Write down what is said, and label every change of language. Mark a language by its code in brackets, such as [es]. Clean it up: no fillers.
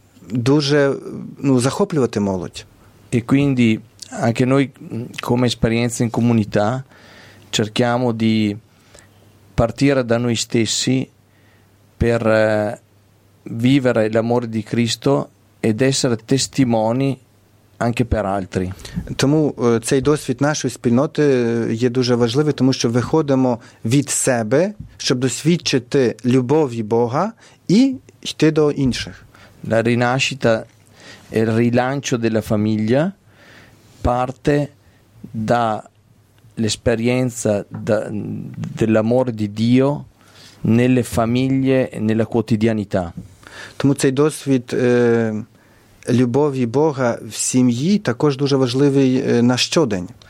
[uk] дуже ну, захоплювати молодь. [it] І quindi anche noi come esperienza in comunità cerchiamo di partire da noi stessi per vivere l'amore di Cristo ed essere testimoni anche per altri. [uk] Тому цей досвід нашої спільноти є дуже важливий, тому що виходимо від себе, щоб досвідчити любові Бога і йти до інших. [it] La rinascita e il rilancio della famiglia parte dall'esperienza dell'amore di Dio nelle famiglie e nella quotidianità. [uk] Тому цей досвід любові Бога в сім'ї також дуже важливий на щодень.